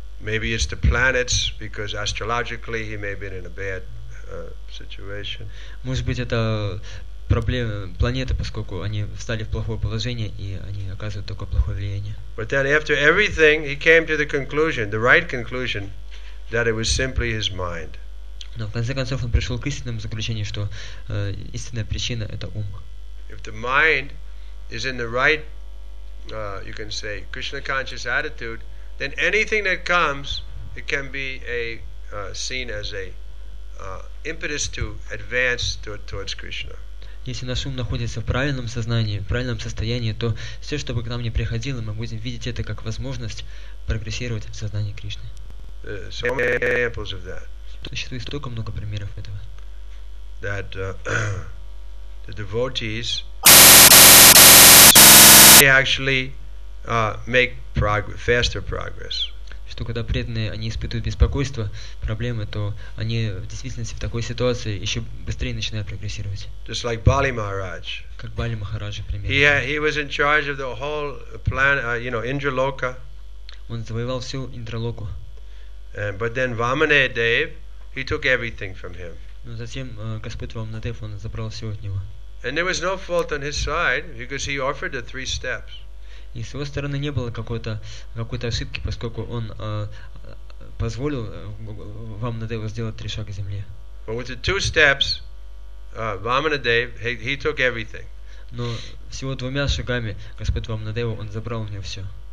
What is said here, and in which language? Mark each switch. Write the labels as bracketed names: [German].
[English] Maybe it's the planets, because astrologically he may have been in a bad situation. [Russian] Может быть, это проблема планеты, поскольку они встали в плохое положение и они оказывают такое плохое влияние. [English] But then after everything, he came to the conclusion, the right conclusion, that it was simply his mind. [Russian] Но в конце концов он пришел к истинному заключению, что истинная причина — это ум. [English] If the mind is in the right, you can say, Krishna conscious attitude, then anything that comes, it can be seen as a impetus to advance towards Krishna. [Russian] Если наш ум находится в правильном сознании, в правильном состоянии, то все, что бы к нам ни приходило, мы будем видеть это как возможность прогрессировать в сознании Кришны. Существует столько много примеров этого. Что когда преданные, они испытывают беспокойство, проблемы, то они в действительности в такой ситуации еще быстрее начинают прогрессировать. [English] Just like Bali Maharaj. [Russian] Как Бали Махарадж, например. [English] He was in charge of the whole plan, you know, Индралока. [Russian] Он завоевал всю Индралоку. [English] But then Vamanaya Dev, he took everything from him. [Russian] Но затем Господь Вамнадев, он забрал все от него. [English] And there was no fault on his side because he offered the three steps. [Russian] И с его стороны не было какой-то ошибки, поскольку он позволил вам надо его сделать три шага к земле. [English] But with the two steps, Vamanadev, he took everything. [Russian] Но всего двумя шагами Господь вам надо его, он забрал у него все.